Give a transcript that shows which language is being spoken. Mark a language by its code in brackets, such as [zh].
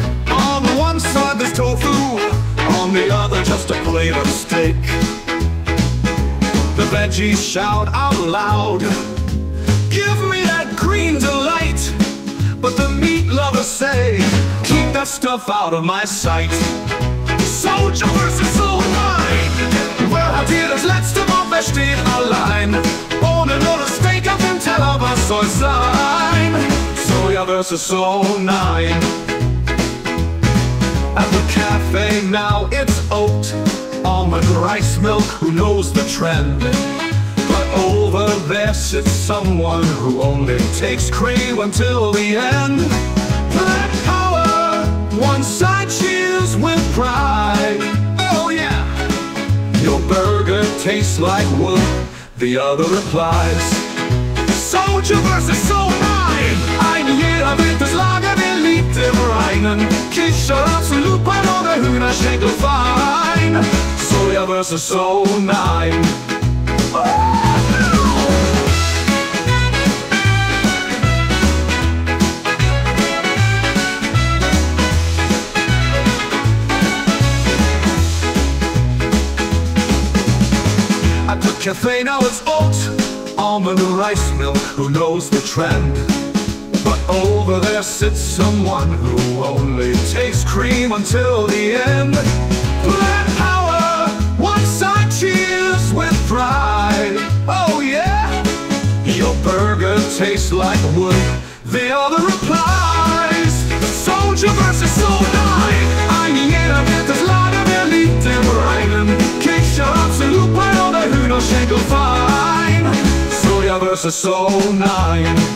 [en] On one side there's tofu, on the other just a plate of steak. The veggies shout out loud, give me that green delight. But the meat lovers say, keep that stuff out of my sight. [de] Soja vs So Nein. Wer hat hier das letzte Wort, wer steht allein? Bohnen oder steht auf dem Teller, was soll sein? Soja vs So Nein. [en] At the café now it's oat, almond rice milk, who knows the trend? But over there sits someone who only takes cream until the end. Black power, one side cheers with pride. Oh yeah! Your burger tastes like wood, the other replies. [de] Soja vs So Nein! Ein jeder wählt das Lager, der liegt im Reinen. Kichererbsen, Lupinen oder Hühnerschenkel, fein. Soja vs So Nein! [en] At the cafe now it's oat, almond rice milk, who knows the trend? But over there sits someone who only takes cream until the end. Black power, one side cheers with pride. Oh yeah, your burger tastes like wood, the other replies. [de] Soja vs So Nein. Ein jeder wählt das Lager, wer liegt im Reinen. Kichererbsen, Lupinen oder Hühnerschenkel, fein. Soja vs So Nein.